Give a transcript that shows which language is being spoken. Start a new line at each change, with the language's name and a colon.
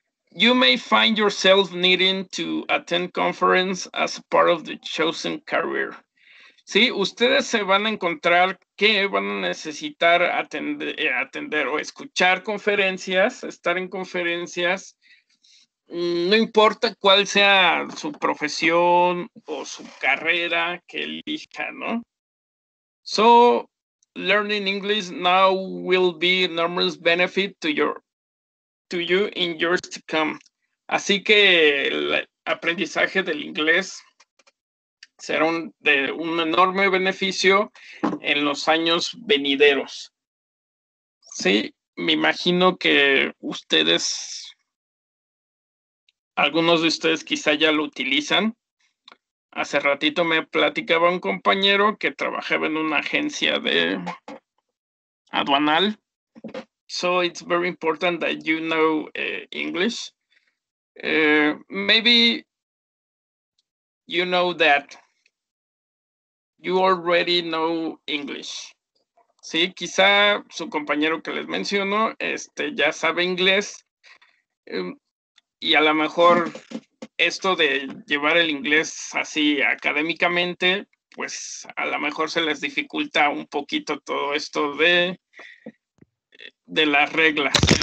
English: You may find yourself needing to attend conference as part of the chosen career.
Spanish: Sí, ustedes se van a encontrar que van a necesitar atender o escuchar conferencias, estar en conferencias, no importa cuál sea su profesión o su carrera que elija, ¿no?
English: So, learning English now will be enormous benefit to you in years to come.
Spanish: Así que el aprendizaje del inglés será un enorme beneficio en los años venideros. Sí, me imagino que ustedes, algunos de ustedes quizá ya lo utilizan. Hace ratito me platicaba un compañero que trabajaba en una agencia de aduanal.
English: So it's very important that you know English. Maybe you know that. You already know English.
Spanish: Sí, quizá su compañero que les menciono ya sabe inglés. Y a lo mejor esto de llevar el inglés así académicamente, pues a lo mejor se les dificulta un poquito todo esto de las reglas.